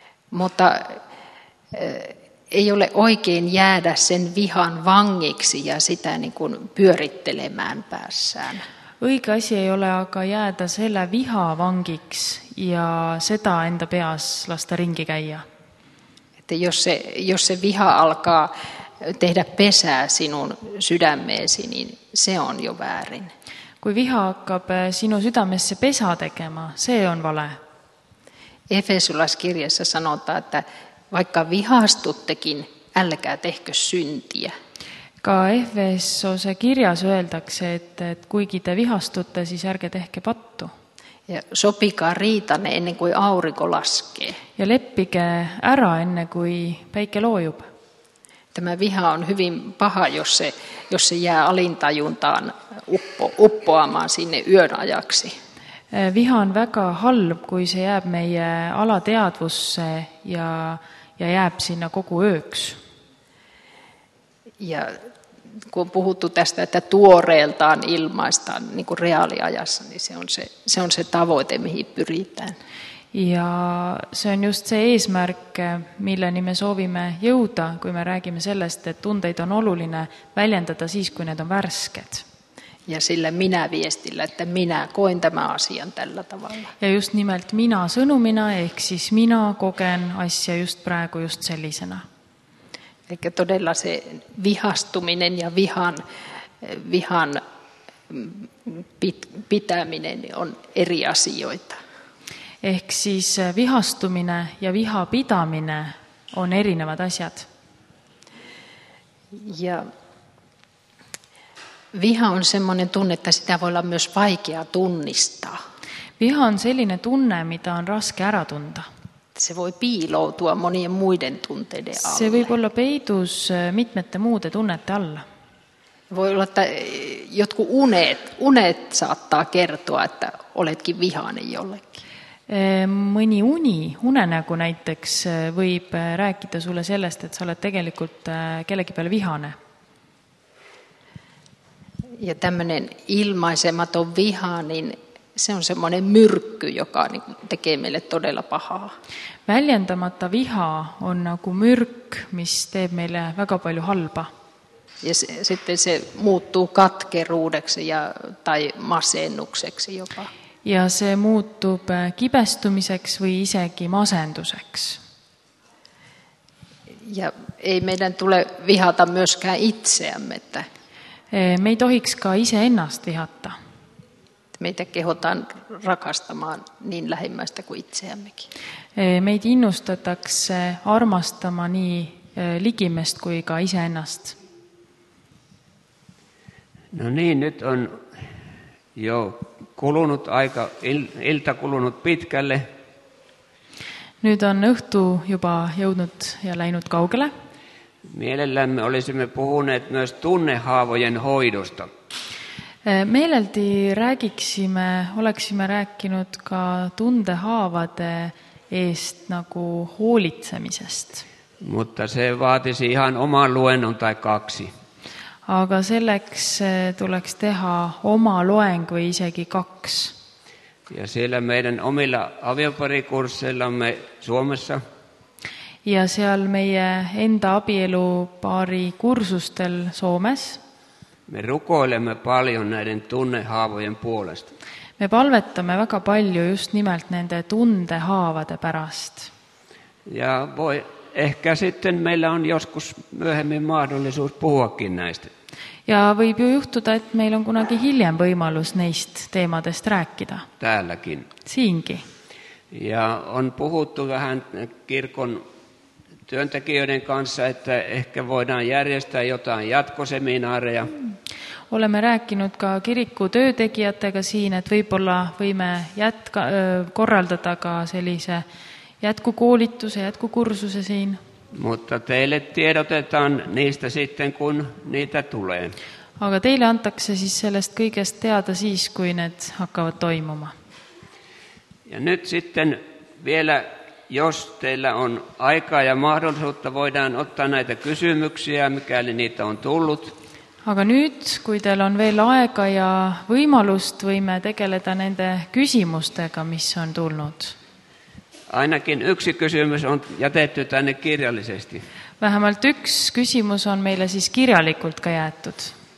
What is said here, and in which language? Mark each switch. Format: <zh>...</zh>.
<fi>Mutta ei ole oikein jäädä sen vihan vangiksi ja sitä niin kuin pyörittelemään päässään.</fi> <et>Õige asi ei ole aga jääda selle viha vangiks ja seda enda peas lasta ringi käia.</et> <fi>Että jos se viha alkaa tehdä pesää sinun sydämeesi, niin se on jo väärin.</fi> <et>Kui viha hakkab sinu sydämesse pesa tegema, see on vale.</et> <fi>Efesulaskirjassa sanotaan, että vaikka vihastuttekin, älkää tehkö syntiä.</fi> <et>Ka Efesose kirjas öeldakse, et kuigi te vihastutte, siis ärge tehke pattu.</et> <fi>Ja sopikaa riitane ennen kuin aurinko laskee.</fi> <et>Ja leppige ära ennen kuin päike loojub.</et> <fi>Tämä viha on hyvin paha, jos se jää alintajuntaan uppoamaan sinne yön ajaksi.</fi> <et>Viha on väga halb, kui see jääb meie alateadvusse ja jääb sinna kogu ööks.</et> <fi>Ja kun on puhuttu tästä, että tuoreeltaan ilmaistaan niin kuin reaaliajassa, niin se on se tavoite, mihin pyritään.</fi> <et>Ja see on just see eesmärk, milleni me soovime jõuda, kui me räägime sellest, et tundeid on oluline väljendada siis, kui need on värsked.</et> <fi>Ja sillä minä viestillä, että minä koen tämän asian tällä tavalla.</fi> <et>Ja just nimelt minä sõnumina, ehk siis minä kogen asja just praegu just sellisena.</et> <fi>Eli todella se vihastuminen ja vihan pitäminen on eri asioita.</fi> <et>Ehk siis vihastumine ja viha pidamine on erinevad asjad.</et> <fi>Ja viha on semmoinen tunne, että sitä voi olla myös vaikea tunnistaa.</fi> <et>Viha on selline tunne, mitä on raske ära tunda.</et> <fi>Se voi piiloutua monien muiden tunteiden alle.</fi> <et>Se võib olla peidus mitmete muude tunnette alla.</et> <fi>Voi olla, että jotkut unet saattaa kertoa, että oletkin vihainen jollekin.</fi> <et>Mõni unenägu näiteks võib rääkida sulle sellest, et sa oled tegelikult kellegi peale vihane.</et> <fi>Ja tämmöinen ilmaisematon viha, niin se on semmoinen myrkky, joka tekee meille todella pahaa.</fi> <et>Väljendamata viha on nagu myrk, mis teeb meille väga palju halba.</et> <fi>Ja sitten se muuttuu katkeruudeksi tai masennukseksi jopa.</fi> <et>Ja see muutub kibestumiseks või isegi masenduseks.</et> <fi>Ja ei meidän tule vihata myöskään itseämme. Että</fi> <et>me ei tohiks ka ise ennast vihata.</et> <fi>Meitä kehotaan rakastamaan niin lähimmäistä kuin itseämmekin.</fi> <et>Meid innustatakse armastama nii ligimest kuin ka ise ennast.</et> <fi>No niin, nyt on jo kulunut aika, ilta kulunut pitkälle.</fi> <et>Nyt on õhtu juba jõudnud ja läinud kaugele.</et> <fi>Mielellämme olisimme puhuneet myös tunnehaavojen hoidosta.</fi> <et>Meeleldi oleksime rääkinud ka tundehaavade eest nagu hoolitsemisest.</et> <fi>Mutta se vaatisi ihan oman luennon tai kaksi.</fi> <et>Aga selleks tuleks teha oma loeng või isegi kaks.</et> <fi>Ja siellä meidän omilla avioparikursseillamme Suomessa.</fi> <et>Ja seal meie enda abielupaari kursustel Soomes.</et> <fi>Me rukoilemme paljon näiden tunnehaavojen puolesta.</fi> <et>Me palvetame väga palju just nimelt nende tundehaavade pärast.</et> <fi>Ja voi ehkä sitten meillä on joskus myöhemmin mahdollisuus puhuakin näistä.</fi> <et>Ja võib ju juhtuda, et meil on kunagi hiljem võimalus neist teemadest rääkida.</et> <fi>Täälläkin.</fi> <et>Siinki.</et> <fi>Ja on puhuttu vähän kirkon työntekijöiden kanssa, että ehkä voidaan järjestää jotain jatkoseminaareja.</fi> <et>Oleme rääkinud ka kiriku töötegijatega siin, et võibolla võime korraldada ka sellise jätkukoolituse, jätkukursuse siin.</et> <fi>Mutta teille tiedotetaan niistä sitten, kun niitä tulee.</fi> <et>Aga teile antakse siis sellest kõigest teada siis, kui need hakkavad toimuma.</et> <fi>Ja nyt sitten vielä, jos teillä on aikaa ja mahdollisuutta, voidaan ottaa näitä kysymyksiä, mikäli niitä on tullut.</fi> <et>Aga nüüd, kui teil on veel aega ja võimalust, võime tegeleda nende küsimustega, mis on tulnud.</et> <fi>Ainakin yksi kysymys on jätetty tänne kirjallisesti.</fi> <et>Vähemalt</et> <fi>yksi kysymys</fi> <et>on meille siis kirjallikult ka jäätud.</et>